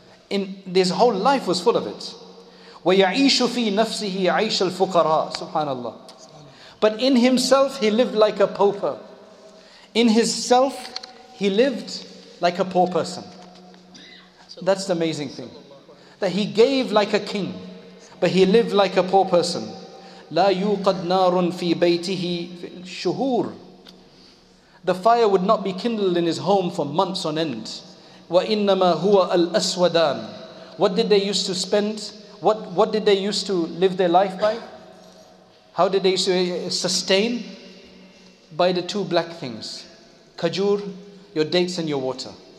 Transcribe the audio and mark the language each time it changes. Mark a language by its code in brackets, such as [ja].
[en] In his whole life was full of it. [ar] وَيَعِيشُ فِي نَفْسِهِ عَيْشَ الْفُقَرَاءِ. [en] SubhanAllah. But in himself, he lived like a pauper. In himself, he lived like a poor person. That's the amazing thing. That he gave like a king, but he lived like a poor person. [ar] لا يوقد نار في بيته في شهور. [en] The fire would not be kindled in his home for months on end. [ar] وَإِنَّمَا هُوَ الْأَسْوَدَانِ. [en] What did they used to spend? What did they used to live their life by? How did they sustain? By the two black things. Kajur, your dates and your water.